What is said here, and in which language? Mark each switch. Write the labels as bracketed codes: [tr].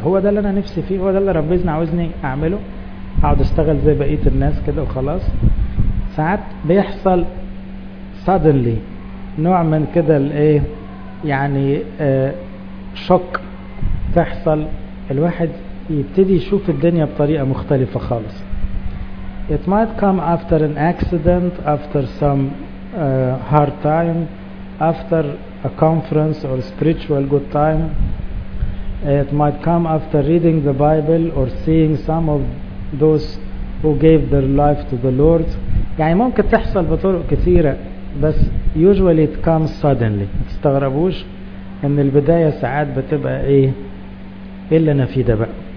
[ar] هو ده اللي أنا نفسي فيه، هو ده اللي ربنا عاوزني أعمله، أقعد أشتغل زي بقية الناس كده وخلاص. ساعات بيحصل suddenly نوع من كده الايه يعني شك تحصل، الواحد يبتدي يشوف الدنيا بطريقة مختلفة خالص. [en] It might come after an accident, after some hard time, after a conference or spiritual good time. It might come after reading the Bible or seeing some of those who gave their life to the Lord. [ar] يعني ممكن تحصل بطرق كثيرة، بس [en] usually it comes suddenly. [ar] تستغربوش ان البداية ساعات بتبقى ايه اللي انا فيه ده بقى.